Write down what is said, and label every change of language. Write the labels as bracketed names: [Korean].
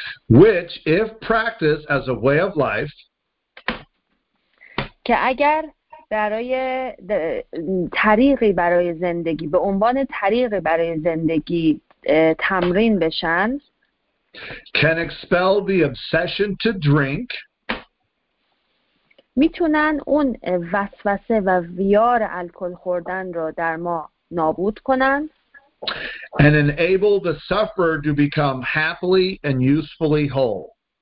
[English] Which, if practiced as a way of life. [Persian] که اگر برای طریقی برای زندگی، به عنوان طریقی برای زندگی تمرین بشن. [English] can expel the obsession to drink. [Persian] میتونن اون وسوسه و ویار الکل خوردن رو در ما نابود کنن. [English] And enable the sufferer to become happily and usefully whole.